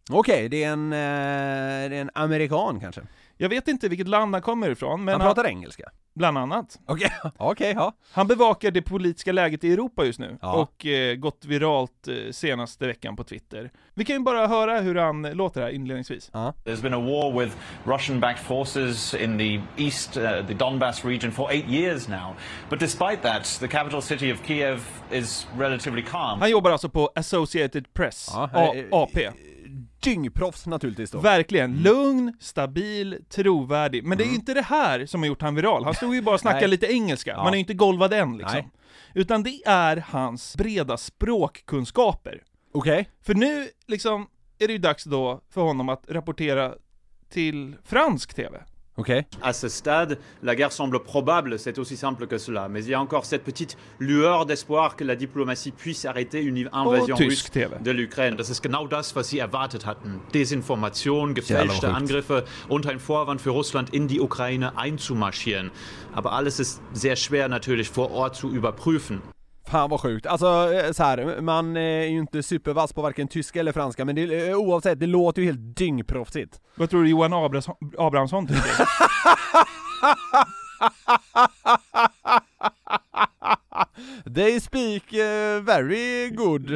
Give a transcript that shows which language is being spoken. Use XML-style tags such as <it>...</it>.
<sv>Okej, okay, det är en amerikan kanske. Jag vet inte vilket land han kommer ifrån. Men han pratar engelska. Bland annat. Okej, okay. Okay, ja. Han bevakar det politiska läget i Europa just nu. Ja. Och gått viralt senaste veckan på Twitter. Vi kan ju bara höra hur han låter här inledningsvis. Ja.</sv> <en>There's been a war with Russian-backed forces in the east, the Donbass region, for 8 years now. But despite that, the capital city of Kiev is relatively calm.</en> <sv>Han jobbar alltså på Associated Press, AP. Dyngproffs naturligtvis då. Verkligen. Lugn, stabil, trovärdig. Men det är ju inte det här som har gjort han viral. Han stod ju bara och snackade lite engelska. Ja. Man är ju inte golvad än liksom. Nej. Utan det är hans breda språkkunskaper. Okej. Okay. För nu liksom är det ju dags då för honom att rapportera till fransk TV. Okej.</sv> <fr>À ce stade, la guerre semble probable, c'est aussi simple que cela. Mais il y a encore cette petite lueur d'espoir que la diplomatie puisse arrêter une invasion russe de l'Ukraine.</fr> <de>Das ist genau das, was sie erwartet hatten. Desinformation, gefälschte Angriffe und ein Vorwand für Russland in die Ukraine einzumarschieren. Aber alles ist sehr schwer natürlich vor Ort zu überprüfen.</de> <sv>Fan vad sjukt. Alltså så här, man är ju inte supervass på varken tyska eller franska, men det, oavsett, det låter ju helt dyngproffsigt. Vad tror du Johan Abrahamsson tycker?</sv> <en>They speak very good</en>